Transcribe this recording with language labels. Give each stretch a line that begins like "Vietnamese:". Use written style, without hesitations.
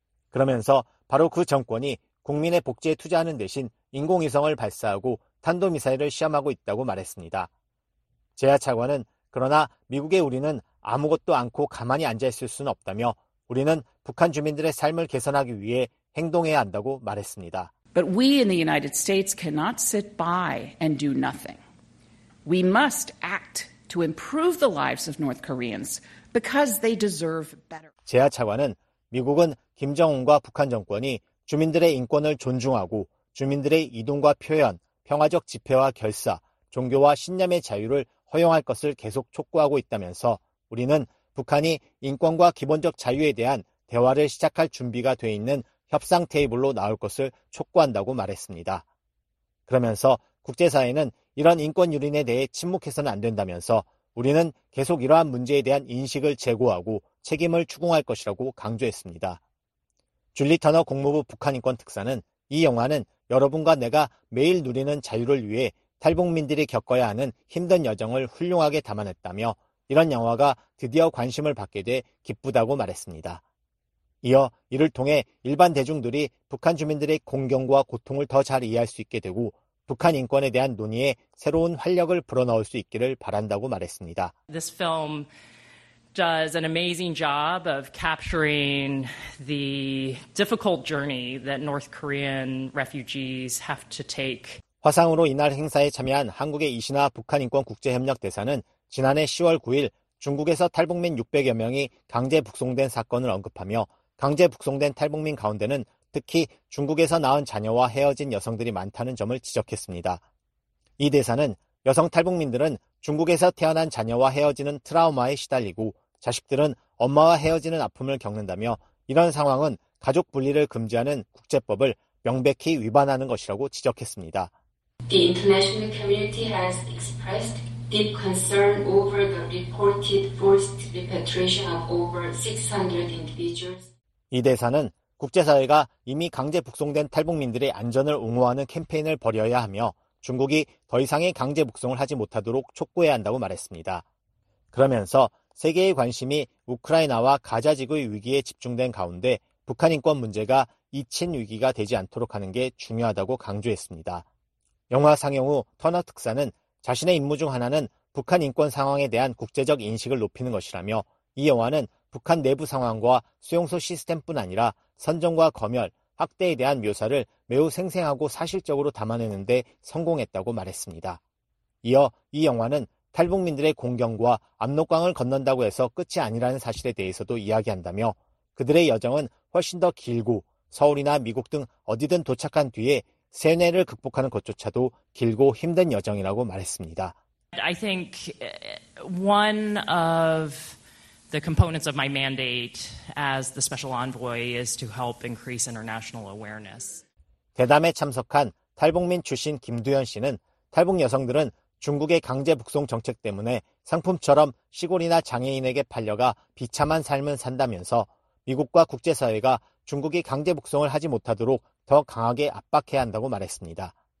Korean: 그러면서 바로 그 정권이 국민의 복지에 투자하는 대신 인공위성을 발사하고 탄도미사일을 시험하고 있다고 말했습니다. 제야 차관은 그러나 미국의 우리는 아무것도 않고 가만히 앉아있을 수는 없다며 우리는 북한 주민들의 삶을 개선하기 위해 행동해야 한다고 말했습니다.
English: But we in the United States cannot sit by and do nothing. We must act to improve the lives of North Koreans because they deserve better.
Korean: 제야 차관은 미국은 김정은과 북한 정권이 주민들의 인권을 존중하고 주민들의 이동과 표현, 평화적 집회와 결사, 종교와 신념의 자유를 허용할 것을 계속 촉구하고 있다면서 우리는 북한이 인권과 기본적 자유에 대한 대화를 시작할 준비가 돼 있는 협상 테이블로 나올 것을 촉구한다고 말했습니다. 그러면서 국제사회는 이런 인권 유린에 대해 침묵해서는 안 된다면서 우리는 계속 이러한 문제에 대한 인식을 제고하고 책임을 추궁할 것이라고 강조했습니다. 줄리 터너 국무부 북한인권특사는 이 영화는 여러분과 내가 매일 누리는 자유를 위해 탈북민들이 겪어야 하는 힘든 여정을 훌륭하게 담아냈다며 이런 영화가 드디어 관심을 받게 돼 기쁘다고 말했습니다. 이어 이를 통해 일반 대중들이 북한 주민들의 공경과 고통을 더 잘 이해할 수 있게 되고 북한 인권에 대한 논의에 새로운 활력을 불어넣을 수 있기를 바란다고 말했습니다.
English: This film does an amazing job of capturing the difficult journey that North Korean refugees have to take.
Korean: 화상으로 이날 행사에 참여한 한국의 이신하 북한인권국제협력대사는 지난해 10월 9일 중국에서 탈북민 600여 명이 강제 북송된 사건을 언급하며 강제 북송된 탈북민 가운데는 특히 중국에서 낳은 자녀와 헤어진 여성들이 많다는 점을 지적했습니다. 이 대사는 여성 탈북민들은 중국에서 태어난 자녀와 헤어지는 트라우마에 시달리고 자식들은 엄마와 헤어지는 아픔을 겪는다며 이런 상황은 가족 분리를 금지하는 국제법을 명백히 위반하는 것이라고 지적했습니다.
English: The international community has expressed deep concern over the reported forced repatriation of over 600 individuals.
Korean: 이 대사는 국제사회가 이미 강제 북송된 탈북민들의 안전을 옹호하는 캠페인을 벌여야 하며 중국이 더 이상의 강제 북송을 하지 못하도록 촉구해야 한다고 말했습니다. 그러면서 세계의 관심이 우크라이나와 가자지구의 위기에 집중된 가운데 북한 인권 문제가 2층 위기가 되지 않도록 하는 게 중요하다고 강조했습니다. 영화 상영 후 터너 특사는 자신의 임무 중 하나는 북한 인권 상황에 대한 국제적 인식을 높이는 것이라며 이 영화는 북한 내부 상황과 수용소 시스템뿐 아니라 선정과 검열, 학대에 대한 묘사를 매우 생생하고 사실적으로 담아내는 데 성공했다고 말했습니다. 이어 이 영화는 탈북민들의 공경과 압록강을 건넌다고 해서 끝이 아니라는 사실에 대해서도 이야기한다며 그들의 여정은 훨씬 더 길고 서울이나 미국 등 어디든 도착한 뒤에 세뇌를 극복하는 것조차도 길고 힘든 여정이라고 말했습니다.
English: I think one of the components of my mandate as the special envoy is to help increase international awareness.
Korean: 대담에 참석한 탈북민 출신 김두현 씨는 탈북 여성들은 중국의 강제 북송 정책 때문에 상품처럼 시골이나 장애인에게 팔려가 비참한 삶을 산다면서 미국과 국제사회가 중국이 강제 북송을 하지 못하도록 더 강하게 압박해야 한다고 말했습니다.